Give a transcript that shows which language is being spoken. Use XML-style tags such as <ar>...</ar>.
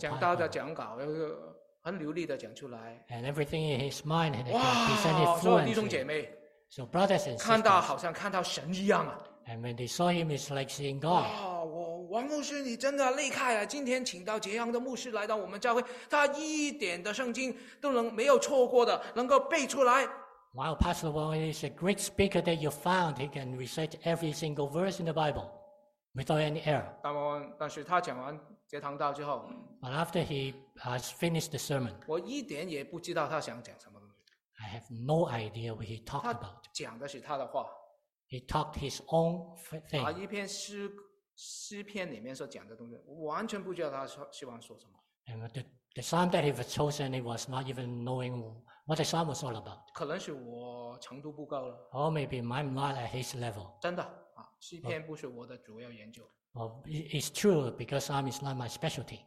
<zh>讲到的讲稿又很流利的讲出来。</zh> <en>And everything in his mind and presented fluently.</en> <zh>哇，所有弟兄姐妹。</zh> <en>So brothers and sisters,</en> <zh>看到好像看到神一样啊。</zh> <en>And when they saw him, it's like seeing God.</en> <zh>哇，王牧师你真的厉害啊！今天请到这样的牧师来到我们教会，他一点的圣经都能没有错过的，能够背出来。</zh> <en>Wow, Pastor Wong is a great speaker that you found. He can recite every single verse in the Bible without any error.</en> <zh>但是他讲完这堂道之后，</zh> <en>But after he has finished the sermon,</en> <zh>我一点也不知道他想讲什么。</zh> <en>I have no idea what he talked about.</en> <zh>他讲的是他的话。</zh> <en>He talked his own thing.</en> <zh>一篇诗篇里面所讲的东西，完全不知道他希望说什么。</zh> <en>And the psalm that he was chosen, he was not even knowing what the psalm was all about.</en> <zh>可能是我程度不够了。</zh> <en>Or maybe I'm not at his level.</en> <zh>真的啊，诗篇不是我的主要研究。</zh> <en>Well, it's true because psalm is not my specialty.</en>